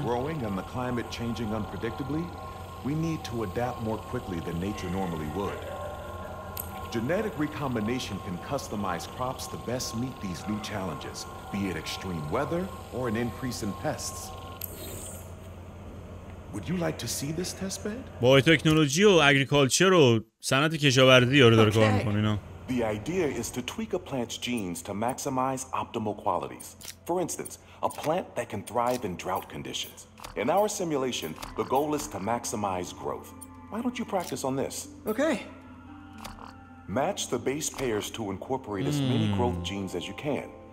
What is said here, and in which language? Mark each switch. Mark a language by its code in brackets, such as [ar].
[en] Growing and the climate changing unpredictably, we need to adapt more quickly than nature normally would. Genetic recombination can customize crops to best meet these new challenges, be it extreme weather or an increase in pests. Would you like to see this test bed? Boy, technology and agriculture and [fa] صنعت کشاورزی یارو داره کار می‌کنه اینا. [en] The idea is to tweak a plant's genes to maximize optimal qualities. For instance, a plant that can thrive in drought conditions. In our simulation, the goal is to maximize growth. Why don't you practice on this? Okay. Match the base pairs to incorporate as many growth genes as you can.